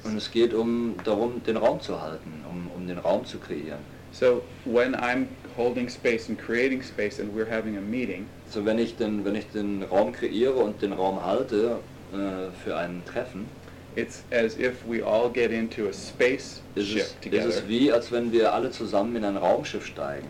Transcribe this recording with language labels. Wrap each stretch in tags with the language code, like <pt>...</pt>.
<de>Und es geht um darum, den Raum zu halten, um den Raum zu kreieren.</de> <en>So when I'm holding space and creating space and we're having a meeting.</en> <de>So wenn ich den Raum kreiere und den Raum halte für ein Treffen.</de> <en>It's as if we all get into a spaceship together.</en> <de>Es ist wie, als wenn wir alle zusammen in ein Raumschiff steigen.</de>